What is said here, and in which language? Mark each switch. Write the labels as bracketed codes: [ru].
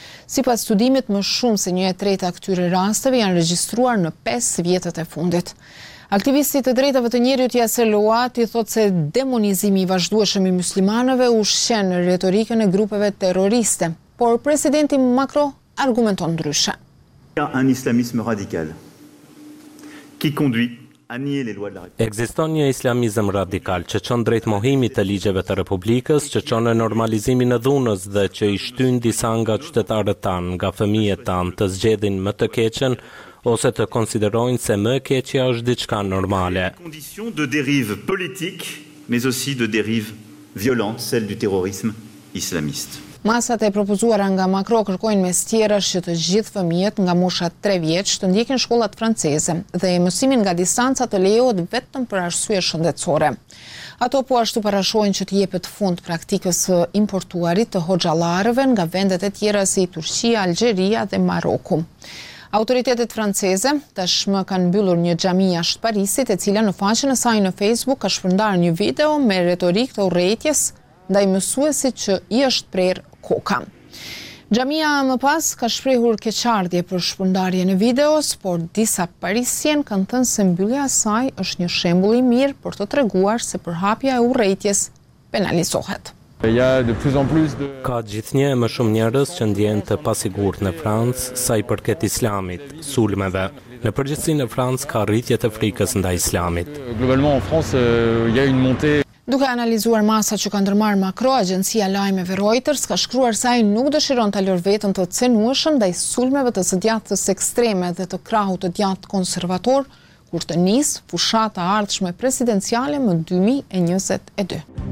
[sq] Sipas studimit, më shumë se 1/3 këtyre rasteve janë regjistruar në 5 vjetët e fundit. Aktivisti të drejtave të njerëzit Yasser Louati thotë se demonizimi i vazhdueshëm i muslimanëve ushqen retorikën e grupeve terroriste, por presidenti Macron argumenton ndryshe. [fr] Un islamisme radical qui conduit à nier les lois de la République. [sq] Ekziston një islamizëm radikal që çon drejt mohimit të ligjeve të Republikës, që çon në normalizimin e dhunës dhe që i shtyn disa nga qytetarët tan, nga fëmijët tan të zgjedhin më të keqen ose të konsiderojnë se më e keqja është diçka normale. [fr] Condition de dérive politique mais aussi de dérive violente, celle du terrorisme islamiste. [sq] Masat e propozuara nga Macron kërkojnë mes tjerash që të gjithë fëmijët nga mosha 3 vjeç të ndjekin shkollat franceze dhe mësimin nga distanca të lejohet vetëm për arsye shëndetësore. Ato po ashtu parashohen që të jepet fund praktikës së importuarit të hoxhallarëve nga vendet e tjera si Turqia, Algjeria dhe Maroku. Autoritetet franceze tashmë kanë mbyllur një xhami jashtë Parisit, e cila në faqen e saj në Facebook ka shpërndarë një video me retorikë të urrëties ndaj mësuesit që i është prerë koka. Xhamia më pas ka shprehur keqardhje për shpërndarjen e videos, por disa parisien kanë thënë se mbyllja e saj është një shembull i mirë për të treguar se përhapja e urrëties penalizohet. Ka gjithnjë më shumë njerëz që ndjehen të pasigurt në Francë sa i përket islamit, sulmeve. Në përgjithësi në Francë ka rritje të frikës ndaj islamit. [fr] Globalement en France il y a une montée. [sq] Duke analizuar masat që ka ndërmarrë Macron, agjencia lajmeve Reuters ka shkruar se ai nuk dëshiron ta lërë veten të cenueshëm ndaj sulmeve të së djathtës ekstreme dhe të krahut të djathtë konservator, kur të nisë fushata ardhshme presidenciale më 2022.